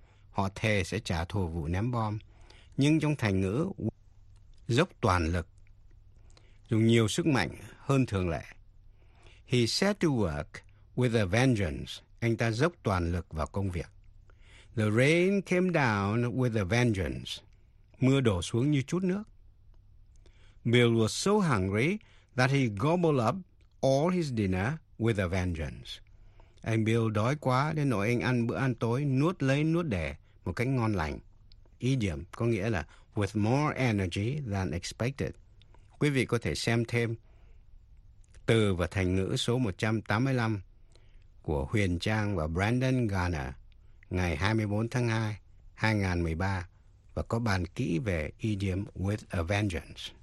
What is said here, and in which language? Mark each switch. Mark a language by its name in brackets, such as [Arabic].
[Vietnamese] Họ thề sẽ trả thù vụ ném bom. Nhưng trong thành ngữ, dốc toàn lực, dùng nhiều sức mạnh hơn thường lệ. [English] He set to work with a vengeance. [Vietnamese] Anh ta dốc toàn lực vào công việc. [English] The rain came down with a vengeance. [Vietnamese] Mưa đổ xuống như chút nước. [English] Bill was so hungry that he gobbled up all his dinner with a vengeance. [Vietnamese] Anh Bill đói quá đến nỗi anh ăn bữa ăn tối nuốt lấy nuốt đẻ một cách ngon lành. Ý điểm có nghĩa là [English] with more energy than expected. [Vietnamese] Quý vị có thể xem thêm từ và thành ngữ số 185 của Huyền Trang và Brandon Garner ngày 24 tháng 2, 2013 và có bàn kỹ về idiom with a vengeance.